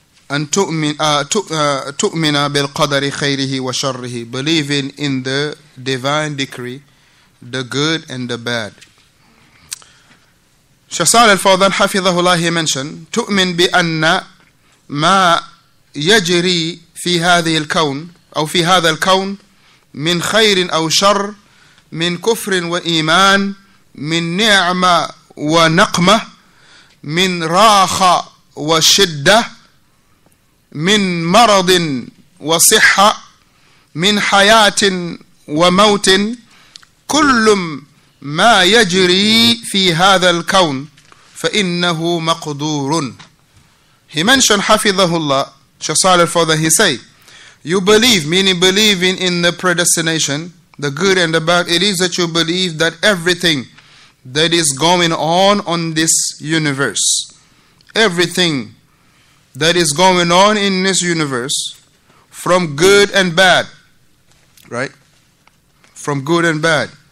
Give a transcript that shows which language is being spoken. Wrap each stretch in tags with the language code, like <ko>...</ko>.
<ar>أن تؤمن بالقدر خيره وشره.</ar> <en>Believing in the divine decree, the good and the bad.</en> <ar>شيخ صالح الفوضان حفظه الله,</ar> <en>he mentioned,</en> <ar>تؤمن بأن ما يجري في هذه الكون أو في هذا الكون من خير أو شر, من كفر وإيمان, من نعمة ونقمة, من راحة وشدة, من مرض وصحة, من حياة وموت, كل ما يجري في هذا الكون فإنه مقدور.</ar> <en>He mentioned,</en> <ar>حفظه الله,</ar> <en>شيخ صالح الفوضان, he say, you believe, meaning believing in the predestination, the good and the bad, it is that you believe that everything that is going on this universe, everything that is going on in this universe, from good and bad, right? From good and bad.</en>